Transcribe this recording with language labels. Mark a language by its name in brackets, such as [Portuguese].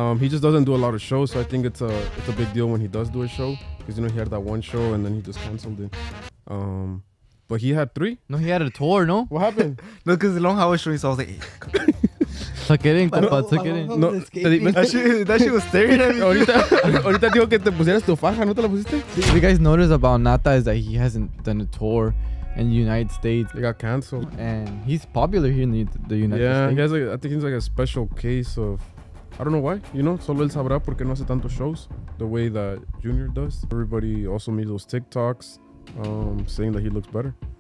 [English] He just doesn't do a lot of shows, so I think it's a big deal when he does do a show, because you know he had that one show and then he just canceled it. But he had three. No, he had a tour. No, what happened? No, because the long hour show, so I was like, tuck it in, compa, tuck it in. No, that shit was staring at me. [Spanish] Ahorita dijo que te pusieras tu faja, ¿no te la pusiste? [English] What you guys noticed about Nata is that he hasn't done a tour in the United States. It got canceled. And he's popular here in the United States. Yeah, I think he's like a special case of, I don't know why, you know, [Spanish] solo él sabrá por qué no hace tantos shows [English] the way that Junior does. Everybody also made those TikToks saying that he looks better.